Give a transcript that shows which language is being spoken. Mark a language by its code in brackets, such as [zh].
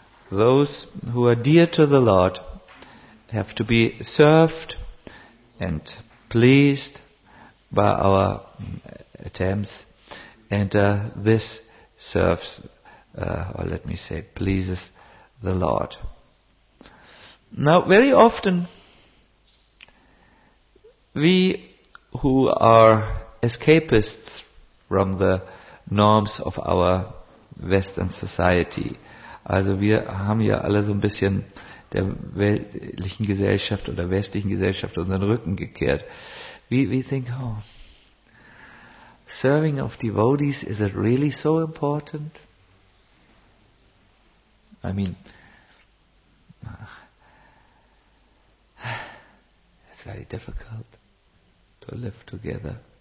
[en] Those who are dear to the Lord have to be served and pleased by our attempts, and this serves, or let me say, pleases the Lord. Now, very often, we who are escapists from the norms of our Western society, [de] also wir haben ja alle so ein bisschen der weltlichen Gesellschaft oder westlichen Gesellschaft unseren Rücken gekehrt. [en] We think, oh, serving of devotees, is it really so important? I mean, it's very difficult to live together.